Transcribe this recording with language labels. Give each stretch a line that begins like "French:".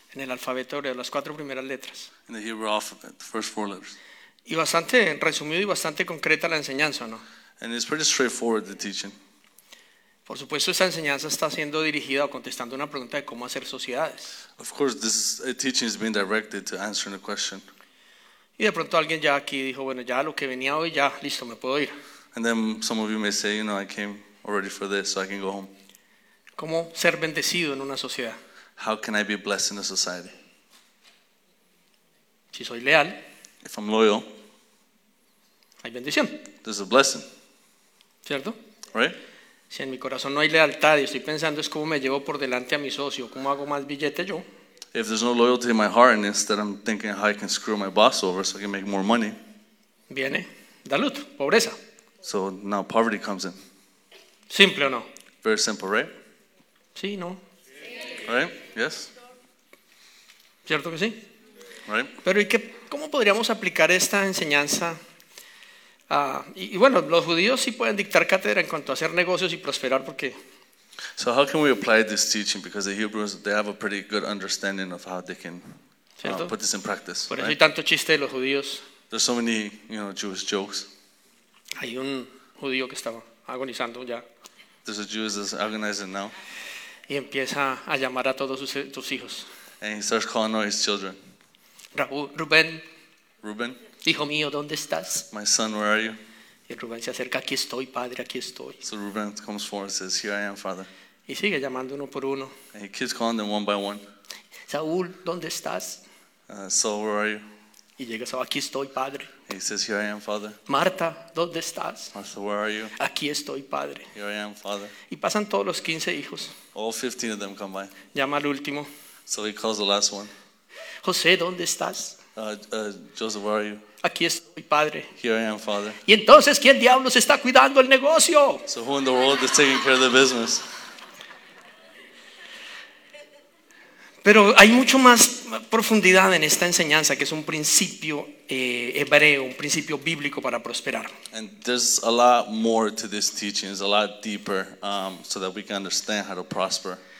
Spanish: En el alfabeto hebreo, las cuatro primeras letras.
English: In the Hebrew alphabet, the first four letters.
Spanish: Y bastante resumido y bastante concreta la enseñanza, ¿no?
English: And it's pretty straightforward, the teaching.
Spanish: Por supuesto, esta enseñanza está siendo dirigida o contestando una pregunta de cómo hacer sociedades.
English: Of course, this teaching is being directed to answering a question.
Spanish: Y de pronto alguien ya aquí dijo, bueno, ya lo que venía hoy, ya, listo, me puedo ir.
English: And then some of you may say, you know, I came already for this, so I can go home.
Spanish: ¿Cómo ser bendecido en una sociedad?
English: How can I be blessed in a society?
Spanish: Si soy leal.
English: If I'm loyal.
Spanish: Hay bendición.
English: There's a blessing.
Spanish: ¿Cierto?
English: Right?
Spanish: Si en mi corazón no hay lealtad y estoy pensando es cómo me llevo por delante a mi socio, cómo hago más billete yo.
English: If there's no loyalty in my heart and instead I'm thinking how I can screw my boss over so I can make more money.
Spanish: Viene. Dalut. Pobreza.
English: So now poverty comes in.
Spanish: Simple o no?
English: Very simple, right?
Spanish: Sí, no.
English: Right? Yes?
Spanish: Cierto que sí.
English: Right?
Spanish: Pero ¿y qué, cómo podríamos aplicar esta enseñanza? Y bueno, los judíos sí pueden dictar cátedra en cuanto a hacer negocios y prosperar porque...
English: So how can we apply this teaching? Because the Hebrews, they have a pretty good understanding of how they can put this in practice.
Spanish: Por eso hay tanto chiste de los judíos.
English: There's so many, you know, Jewish jokes.
Spanish: Hay un judío que estaba agonizando ya.
English: There's a Jew that's agonizing now.
Spanish: Y empieza a llamar a todos sus hijos.
English: And he starts calling all his children.
Spanish: Rubén. Hijo mío, ¿dónde estás?
English: My son, where are you?
Spanish: Y Rubén se acerca, aquí estoy, padre, aquí estoy.
English: So Rubén comes forward and says, here I am, father.
Spanish: Y sigue llamando uno por uno.
English: And he keeps calling them one by one.
Spanish: Saúl, ¿dónde estás?
English: Saul, where are you?
Spanish: Y llega Saúl, aquí estoy, padre.
English: And he says, here I am, father.
Spanish: Marta, ¿dónde estás?
English: Martha, where are you?
Spanish: Aquí estoy, padre.
English: Here I am, father.
Spanish: Y pasan todos los 15 hijos.
English: All 15 of them come by.
Spanish: Llama al último.
English: So he calls the last one.
Spanish: José, ¿dónde estás?
English: Joseph, where are you?
Spanish: Aquí estoy, padre.
English: Here I am, father.
Spanish: Y entonces, ¿quién diablos está cuidando el negocio?
English: So who in the world is taking care of the business?
Spanish: Pero hay mucho más profundidad en esta enseñanza, que es un principio hebreo, un principio bíblico para prosperar.
English: And there's a lot more to this teaching. It's a lot deeper, so that we can understand how to prosper.